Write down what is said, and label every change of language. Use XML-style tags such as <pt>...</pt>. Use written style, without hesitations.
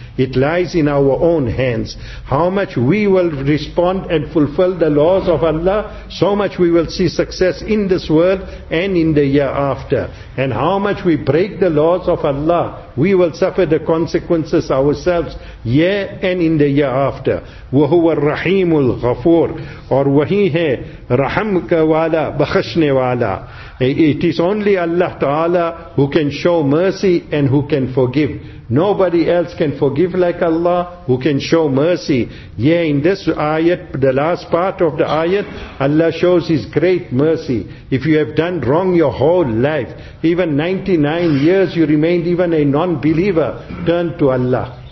<en>It lies in our own hands. How much we will respond and fulfill the laws of Allah, so much we will see success in this world and in the year after. And how much we break the laws of Allah, we will suffer the consequences ourselves, year and in the year after.</en> <ar>وَهُوَ الرَّحِيمُ الْغَفُورُ.</ar> <ur>اور وہی ہے رحمك والا بخشنے والا.</ur> <en>It is only Allah Ta'ala who can show mercy and who can forgive. Nobody else can forgive like Allah who can show mercy. Yeah, in this ayat, the last part of the ayat, Allah shows His great mercy. If you have done wrong your whole life, even 99 years you remained even a non-believer, turn to Allah.</en>